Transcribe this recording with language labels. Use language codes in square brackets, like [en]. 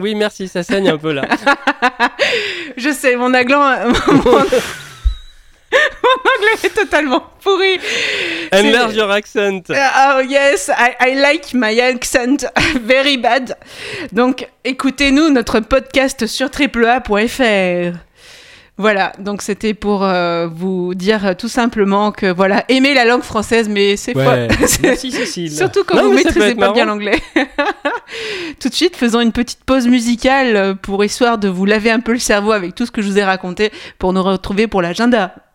[fr] Oui, merci, ça saigne un peu là. Je sais, mon aglant... Mon anglais est totalement pourri. [en] Enlarge your accent. Oh yes, I like my accent very bad. [fr] Donc écoutez-nous notre podcast sur AAA.fr. Voilà, donc c'était pour vous dire tout simplement que voilà, aimez la langue française, mais c'est ouais. Faux. Merci Cécile. Surtout quand vous maîtrisez pas bien l'anglais. Tout de suite, faisons une petite pause musicale pour histoire de vous laver un peu le cerveau avec tout ce que je vous ai raconté pour nous retrouver pour l'agenda.